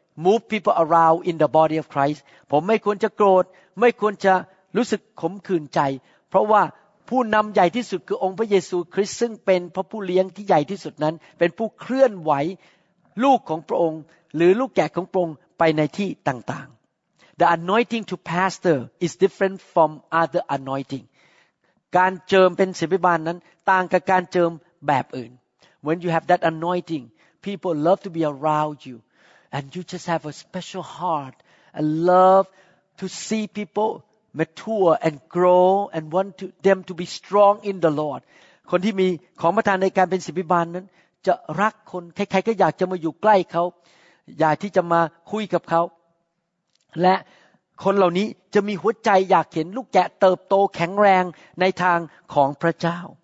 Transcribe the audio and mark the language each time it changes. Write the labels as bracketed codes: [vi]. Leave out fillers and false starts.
[en] move people around in the body of Christ [th] ผมไม่ควรจะโกรธไม่ควรจะรู้สึกขมขื่นใจเพราะว่าผู้นำใหญ่ที่สุดคือองค์พระเยซูคริสต์ซึ่งเป็นพระผู้เลี้ยงที่ใหญ่ที่สุดนั้นเป็นผู้เคลื่อนไหวลูกของพระองค์หรือลูกแกะของพระองค์ไปในที่ต่างๆ [en] The anointing to pastor is different from other anointing. [th] การเจิมเป็นศิษย์พิบาลนั้นต่างกับการเจิมแบบอื่น [en] When you have that anointing, people love to be around you. And you just have a special heart and love to see people mature and grow and want them to be strong in the Lord. [th] คนที่มีของประทานในการเป็นศิษย์พิบาลนั้นจะรักคนใครๆก็อยากจะมาอยู่ใกล้เขาอยากที่จะมาคุยกับเขาและคนเหล่านี้จะมีหัวใจอยากเห็นลูกแกะเติบโตแข็งแรงในทางของพระเจ้า